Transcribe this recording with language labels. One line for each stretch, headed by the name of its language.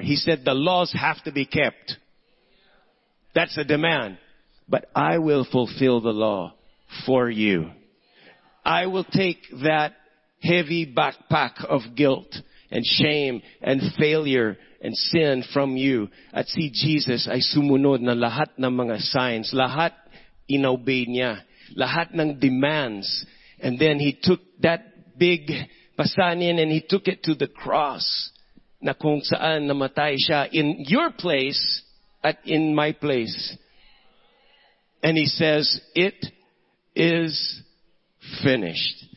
English: He said, the laws have to be kept. That's a demand. But I will fulfill the law for you. I will take that heavy backpack of guilt and shame and failure and sin from you.
Filipino: At si Jesus ay sumunod na lahat ng mga signs, lahat inobey niya, lahat ng demands.
English: And then He took that big pasanin and He took it to the cross
Filipino: na kung saan namatay siya
English: in your place at in my place. And He says, it is finished.